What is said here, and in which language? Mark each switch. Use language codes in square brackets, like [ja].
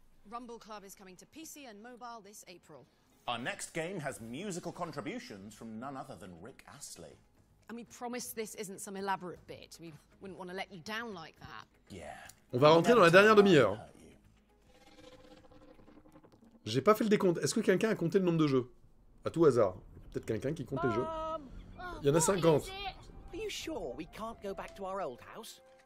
[en] Rumble Club is coming to PC and mobile this April. Our next game has musical contributions from none other than Rick Astley. And we promise this isn't some elaborate bit. We wouldn't want to let you down like that. Yeah. [fr] On va rentrer dans la dernière demi-heure. J'ai pas fait le décompte. Est-ce que quelqu'un a compté le nombre de jeux? À tout hasard. Peut-être quelqu'un qui compte les jeux. Il y en a 50. [en] Are you sure we can't go back to our old house?